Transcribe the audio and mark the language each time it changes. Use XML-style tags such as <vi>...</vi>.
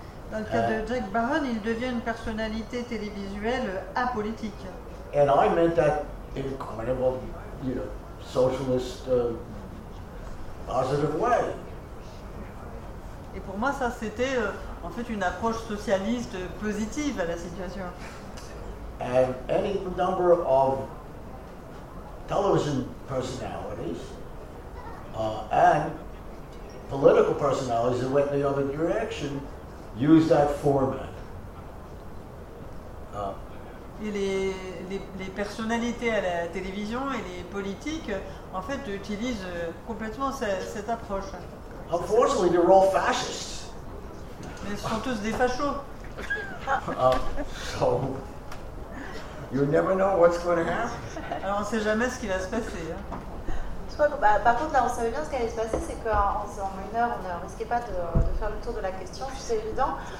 <fr>Dans le cas de Jack Barron, il devient une personnalité télévisuelle apolitique.</fr> <en>And I meant that in kind of a socialist positive way.</en> <fr>Et pour moi, ça c'était en fait une approche socialiste positive à la situation.</fr> <en>And any number of television personalities and political personalities that went in the other direction use that format.</en> <fr>Et les personnalités à la télévision et les politiques en fait utilisent complètement cette approche.</fr> <en>Unfortunately, they're all fascists.</en> <fr>Mais ce sont tous des fachos.</fr> <en>So, you never know what's going to happen.</en> <fr>Alors, on ne sait jamais ce qui va se passer. Hein. Je crois que, par contre, là, on savait bien ce qui allait se passer, c'est qu'en une heure, on ne risquait pas de faire le tour de la question, c'est évident.</fr>